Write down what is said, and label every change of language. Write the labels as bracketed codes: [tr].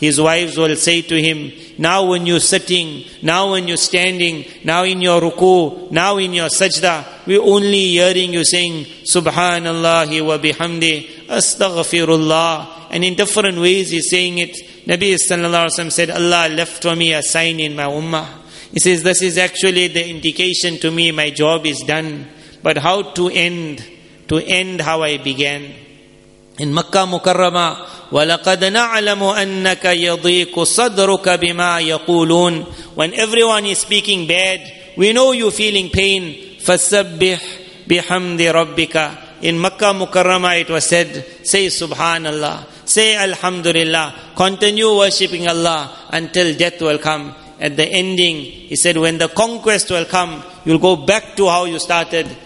[en] His wives will say to him, now when you're sitting, now when you're standing, now in your ruku, now in your sajda, we're only hearing you saying, Subhanallah wa bihamdi, Astaghfirullah. And in different ways he's saying it. Nabi sallallahu alayhi wa sallam said, Allah left for me a sign in my ummah. He says, this is actually the indication to me my job is done. But how to end how I began. [ar] In Makkah Mukarrama, وَلَقَدْ نَعْلَمُ أَنَّكَ يَضِيقُ صَدْرُكَ بِمَا يَقُولُونَ. [en] When everyone is speaking bad, we know you're feeling pain. [ar] فَسَبِّحْ بِحَمْدِ رَبِّكَ. [en] In Makkah Mukarrama it was said, say Subhanallah, say Alhamdulillah, continue worshipping Allah until death will come. At the ending, he said, when the conquest will come, you'll go back to how you started.